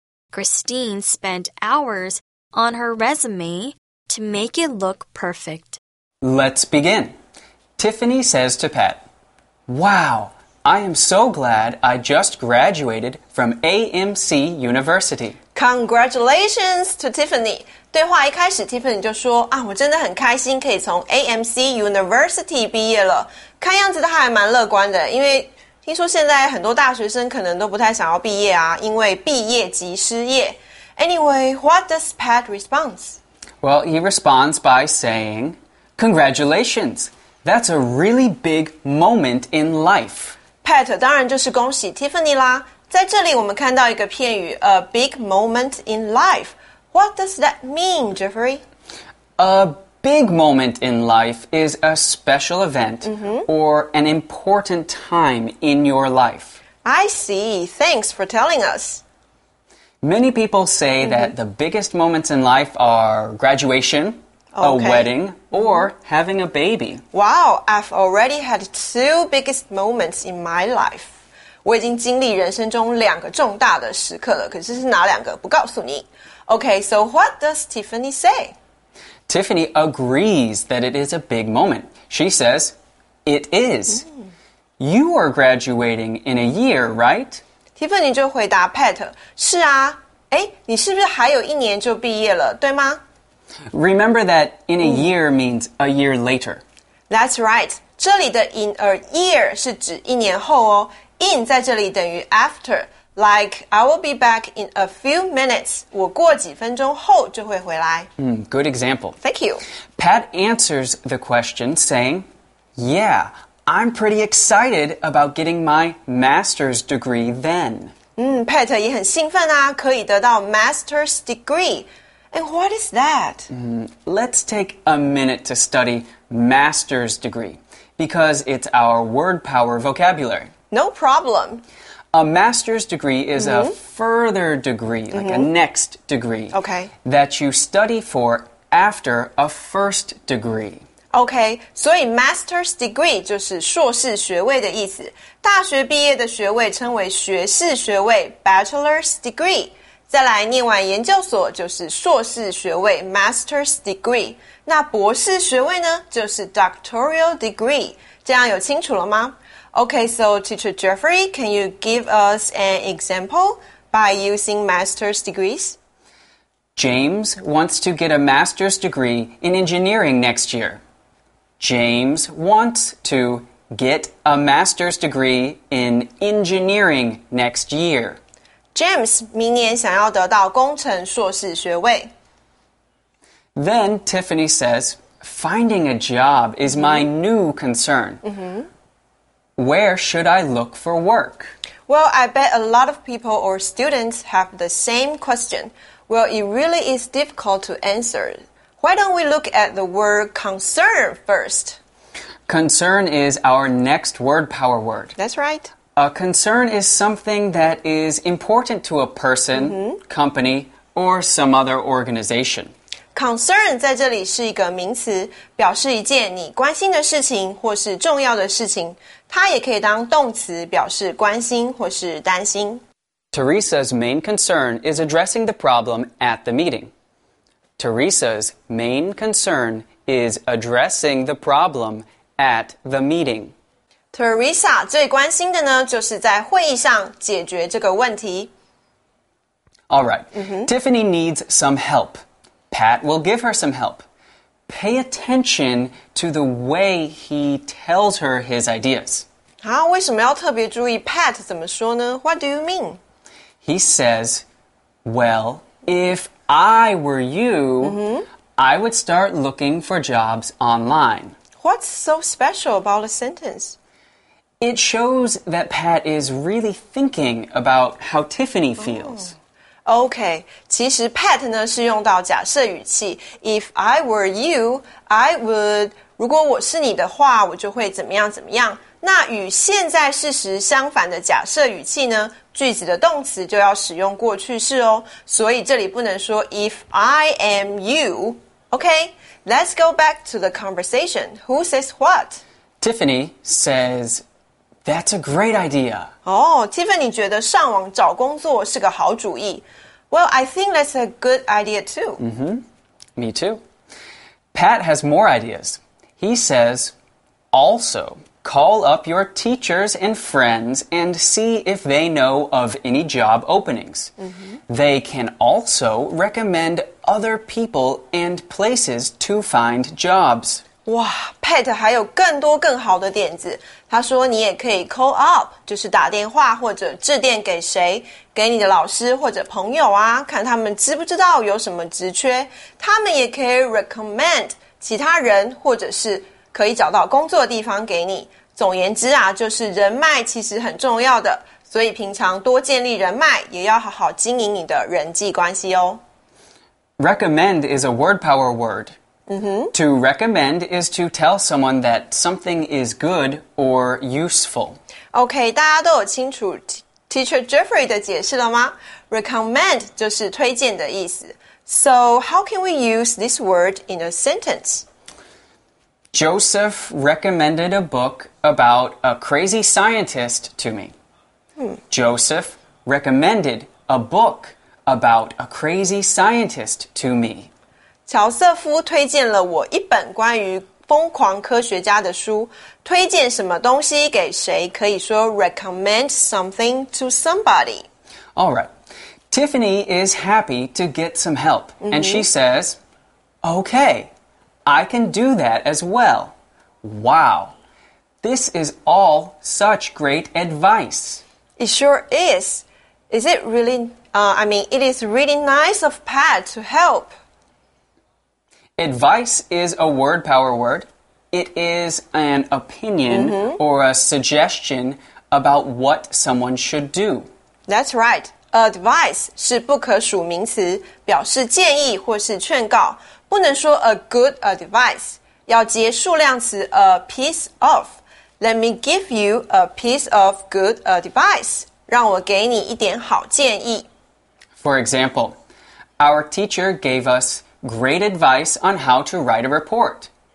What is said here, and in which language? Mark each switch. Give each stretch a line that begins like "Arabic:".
English: Christine spent hours on her resume to make it look perfect. Let's begin. Tiffany says to Pat, Wow, I am so glad I just graduated from AMC University. Congratulations to Tiffany.
Chinese: 对话一开始 Tiffany 就说啊，我真的很开心可以从 AMC University 毕业了。看样子她还蛮乐观的，因为听说现在很多大学生可能都不太想要毕业啊，因为毕业即失业。
English: Anyway, what does Pat respond? Well, he responds by saying, Congratulations! That's a really big moment in life.
Chinese: Pat 当然就是恭喜 Tiffany 啦。在这里我们看到一个片语
English: A big moment in life. What does that mean, Jeffrey? A big moment in life is a special event、mm-hmm. or an important time in your life. I see. Thanks for telling us. Many people say、mm-hmm. that the biggest moments in life are graduation,、okay. a wedding, or、mm-hmm. having a baby. Wow, I've already had two biggest moments in my life.
Chinese: 我已经经历人生中两个重大的时刻了，可是是哪两个不告诉你。
English: Okay, so what does Tiffany say? Tiffany agrees that it is a big moment. She says, it is.、Mm. You are graduating in a year, right?
Chinese: Tiffany 就回答 Pat, 是啊,你是不是还有一年就毕业了,对吗?
English: Remember that in a year means a year later. That's right,
Chinese: 这里的 in a year 是指一年后哦。 In 在这里等于 after,
English: like I will be back in a few minutes,
Chinese: 我过几分钟后就会回来。
English: Good example. Thank you. Pat answers the question saying, yeah,I'm pretty excited about getting my master's degree then.
Chinese: Pat 也很兴奋啊，可以得到 master's degree.
English: And what is that? Let's take a minute to study master's degree, because it's our word power vocabulary. No problem. A master's degree is、mm-hmm. a further degree, like、mm-hmm. a next degree,、 okay. that you study for after a first degree.
Chinese: OK, 所以 master's degree 就是硕士学位的意思。大学毕业的学位称为学士学位 bachelor's degree。再来念完研究所就是硕士学位 master's degree。那博士学位呢就是 doctoral degree。这样有清楚了吗?
English: OK, so teacher Jeffrey, can you give us an example by using master's degrees? James wants to get a master's degree in engineering next year. James wants to get a master's degree in engineering next year.
Chinese: James 明年想要得到工程硕士学位。
English: Then Tiffany says, finding a job is my new concern.、Mm-hmm. Where should I look for work? Well, I bet a lot of people or students have the same question. Well, it really is difficult to answer. Why don't we look at the word concern first? Concern is our next word power word. That's right. A concern is something that is important to a person,、mm-hmm. company, or some other organization.
Chinese: Concern 在这里是一个名词，表示一件你关心的事情或是重要的事情。它也可以当动词，表示关心或是担心。
English: Teresa's main concern is addressing the problem at the meeting. Teresa's main concern is addressing the problem at the meeting.
Chinese: Teresa 最关心的呢，就是在会议上解决这个问题。
English: All right.、Mm-hmm. Tiffany needs some help. Pat will give her some help. Pay attention to the way he tells her his ideas.
Chinese: 啊，为什么要特别注意 Pat 怎么说呢?
English: What do you mean? He says, well, if I were you,、mm-hmm. I would start looking for jobs online. What's so special about a sentence? It shows that Pat is really thinking about how Tiffany feels.、 Oh.
Chinese: Okay, 其实 Pat 呢是用到假设语气。
English: If I were you, I would,
Chinese: 如果我是你的话，我就会怎么样怎么样。那与现在事实相反的假设语气呢，句子的动词就要使用过去式哦。所以这里不能说
English: if I am you. Okay, let's go back to the conversation. Who says what? Tiffany says... That's a great idea.
Chinese: Oh, Tiffany 觉得上网找工作是个好主意。
English: Well, I think that's a good idea too. Mm-hmm. Me too. Pat has more ideas. He says, also, call up your teachers and friends and see if they know of any job openings. Mm-hmm. They can also recommend other people and places to find jobs.
Chinese: 哇 ,Pat 还有更多更好的点子。他说你也可以 call up, 就是打电话或者致电给谁，给你的老师或者朋友啊，看他们知不知道有什么职缺。他们也可以 recommend 其他人，或者是可以找到工作的地方给你。总言之啊，就是人脉其实很重要的，所以平常多建立人脉，也要好好经营你的人际关系哦。
English: Recommend is a word power word. Mm-hmm. To recommend is to tell someone that something is good or useful.
Chinese: Okay, 大家都有清楚 Teacher Jeffrey 的解释了吗? Recommend 就是推荐的意思。
English: So, how can we use this word in a sentence? Joseph recommended a book about a crazy scientist to me. Joseph recommended a book about a crazy scientist to me.
Chinese: 乔瑟夫推荐了我一本关于疯狂科学家的书。推荐什么东西给谁？可以说
English: recommend something to somebody. All right. Tiffany is happy to get some help.、Mm-hmm. And she says, okay, I can do that as well. Wow. This is all such great advice. It sure is. Is it really,、it is really nice of Pat to help. Advice is a word power word. It is an opinion、mm-hmm. or a suggestion about what someone should do. That's right.
Chinese: Advice 是不可数名词，表示建议或是劝告。不能说 a good advice. 要接数量词 a piece of.
English: Let me give you a piece of good advice.
Chinese: 让我给你一点好建议。
English: For example, our teacher gave us... Great advice on how to write a report.